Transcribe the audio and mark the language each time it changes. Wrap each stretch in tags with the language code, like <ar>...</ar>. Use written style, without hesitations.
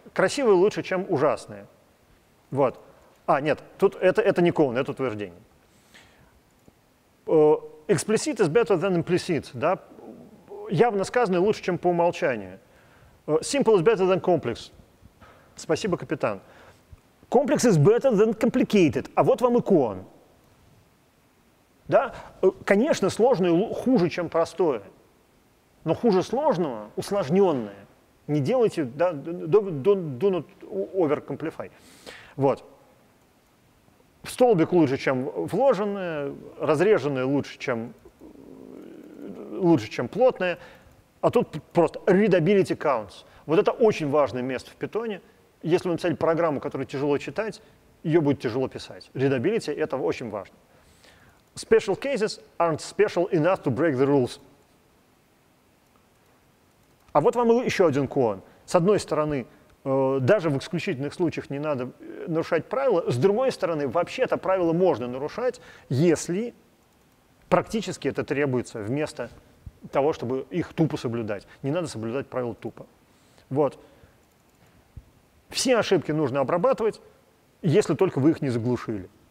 <ru>Красивые лучше, чем ужасные. Вот. А, нет, тут это не коан, это утверждение.</ru> <en>Explicit is better than implicit.</en> <ru>Да? Явно сказанное лучше, чем по умолчанию.</ru> <en>Simple is better than complex.</en> <ru>Спасибо, капитан.</ru> <en>Complex is better than complicated.</en> <ru>А вот вам и коан. Да? Конечно, сложное хуже, чем простое. Но хуже сложного – усложненное. Не делайте, да,</ru> <en>do not over-complify.</en> <ru>Вот. Столбик лучше, чем вложенное, разреженное лучше, чем плотное. А тут просто</ru> <en>readability counts.</en> <ru>Вот это очень важное место в питоне. Если вы написали программу, которую тяжело читать, ее будет тяжело писать. Readability – это очень важно.</ru> <en>Special cases aren't special enough to break the rules.</en> <ru>А вот вам еще один коан. С одной стороны, даже в исключительных случаях не надо нарушать правила. С другой стороны, вообще-то правила можно нарушать, если практически это требуется вместо того, чтобы их тупо соблюдать. Не надо соблюдать правила тупо. Вот. Все ошибки нужно обрабатывать, если только вы их не заглушили.</ru>